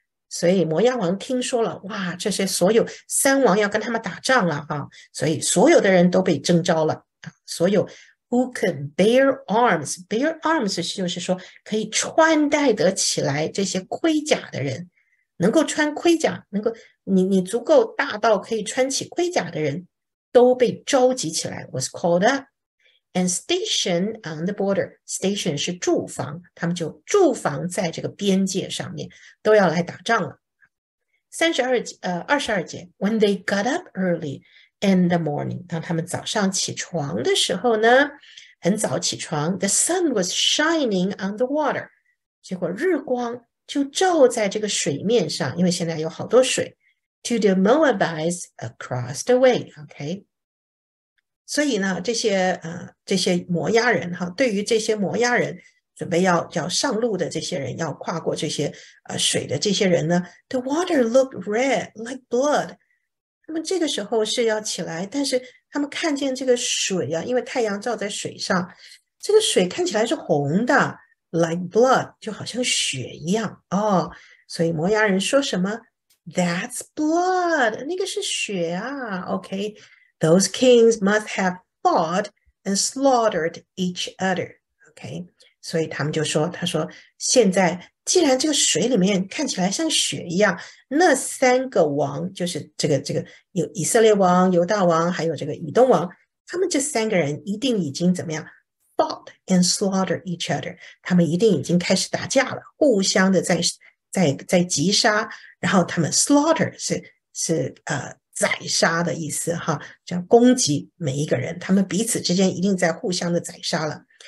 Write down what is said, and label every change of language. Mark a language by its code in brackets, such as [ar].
[zh] 所以摩押王听说了，哇，这些所有三王要跟他们打仗了哈，所以所有的人都被征召了，所有 [en] Who can bear arms? [zh] Bear arms 就是说可以穿戴得起来这些盔甲的人，能够穿盔甲，能够你足够大到可以穿起盔甲的人，都被召集起来。 [en] Was called up and stationed on the border. [zh] Station 是驻防，他们就驻防在这个边界上面，都要来打仗了。 22节， [en] When they got up early。In the morning， [zh] 当他们早上起床的时候呢，很早起床。 [en] The sun was shining on the water， [zh] 结果日光就照在这个水面上，因为现在有好多水。 [en] To the Moabites across the way，OK。 [zh] 所以呢，这些摩押人哈，对于这些摩押人准备要上路的这些人，要跨过这些水的这些人呢， [en] The water looked red like blood。 [zh] 他们这个时候是要起来，但是他们看见这个水啊，因为太阳照在水上，这个水看起来是红的， [en] like blood， [zh] 就好像血一样哦。所以摩押人说什么？ [en] That's blood， [zh] 那个是血啊。 [en] OK，those kings must have fought and slaughtered each other。 [zh] OK，所以他们就说，他说现在。既然这个水里面看起来像血一样，那三个王就是这个有以色列王、犹大王，还有这个以东王，他们这三个人一定已经怎么样， [en] fought and slaughtered each other， [zh] 他们一定已经开始打架了，互相的在击杀，然后他们 slaughter 是宰杀的意思哈，叫攻击每一个人，他们彼此之间一定在互相的宰杀了。